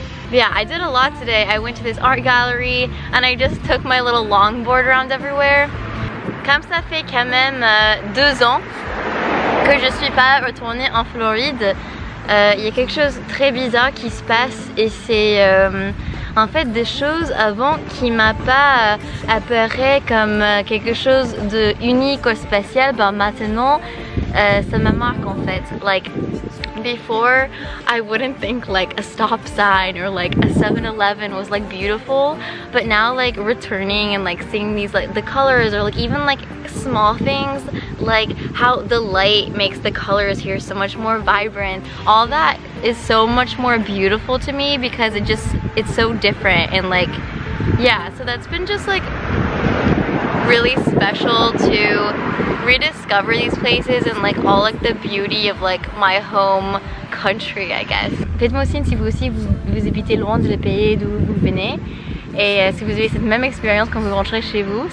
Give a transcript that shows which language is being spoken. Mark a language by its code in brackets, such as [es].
[en] Yeah, I did a lot today. I went to this art gallery and I just took my little longboard around everywhere. [fr] Comme ça fait quand même deux ans que je suis pas retournée en Floride, il y a quelque chose de très bizarre qui se passe et c'est en fait des choses avant qui m'a pas apparu comme quelque chose de unique ou spécial. Ben maintenant. Ça me marque en fait. [en] Like before, I wouldn't think like a stop sign or like a 7-Eleven was like beautiful, but now like returning and like seeing these like the colors or like even like small things like how the light makes the colors here so much more vibrant. All that is so much more beautiful to me because it just it's so different and like yeah. So that's been just like really special to rediscover these places and like all like the beauty of like my home country, I guess. [fr] Faites-moi signe si vous aussi vous habitez loin du pays d'où vous venez et si vous avez cette même expérience quand vous rentrez chez vous.